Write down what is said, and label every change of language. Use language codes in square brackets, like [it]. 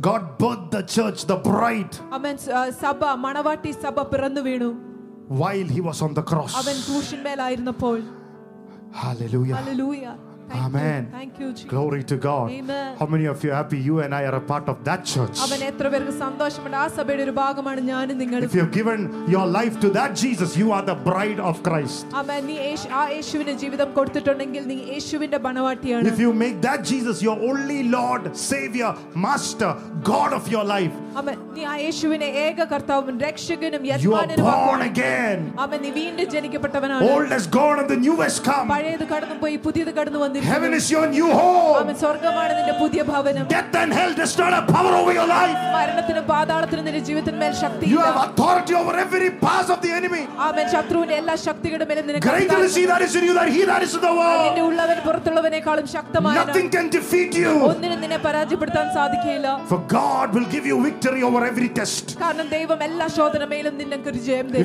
[en] God birthed the church, the bride. [ml] Amen sabha manavatti sabha pirannu veenu. [en] While he was on the cross. [ml] അവൻ ക്രൂശിന്മേൽ ആയിരുന്നപ്പോൾ. [en] Hallelujah. Hallelujah. Amen. Thank you, Jesus. Glory to God. Amen. How many of you happy you and I are a part of that church? [ml] അവനെ എത്ര പേർക്ക് സന്തോഷമുണ്ട് ആ സഭയുടെ ഒരു ഭാഗമാണ് ഞാനും നിങ്ങളും. [en] If you have given your life to that Jesus, you are the bride of Christ. [ml] അവനെ നീ ആ യേശുവിനെ ജീവിതം കൊടുത്തിട്ടുണ്ടെങ്കിൽ നീ യേശുവിന്റെ ബണവാട്ടിയാണ്. [en] If you make that Jesus your only Lord, Savior, Master, God of your life. [ml] അവനെ നീ ആ യേശുവിനെ ഏക കർത്താവും രക്ഷകനും യജമാനനും ആക്കി. അവനെ നീ വീണ്ടും ജനിക്കപ്പെട്ടവനാണ്. [en] Old has gone and the new has come. [ml] പഴയത് കടന്നുപോയി പുതിയത് കടന്നു [en] Heaven is your new home. [ml] അമേ സ്വർഗ്ഗമാണ് നിന്റെ പുതിയ ഭവനം. [en] Death and hell does not have power over your life. [ml] മരണത്തിനും പാതാളത്തിനും നിന്റെ ജീവിതത്തിന്മേൽ ശക്തിയില്ല. [en] You have authority over every power of the enemy. [ml] അമേ ശത്രുവിന്റെ എല്ലാ ശക്തികളുടെമേലും നിനക്ക് അധികാരം. [en] Greater is he that is in you than he that is in the world. [ml] നിന്റെ ഉള്ളവൻ പുറത്തുള്ളവനേക്കാളും ശക്തമായവനാണ്. [en] Nothing can defeat you. [ml] ഒന്നിനും നിന്നെ പരാജയപ്പെടുത്താൻ സാധിക്കില്ല. [en] For God will give you victory over every test. [ml] കാരണം ദൈവം എല്ലാ ശോധനമേലും നിനക്ക് ഒരു ജയം തരും.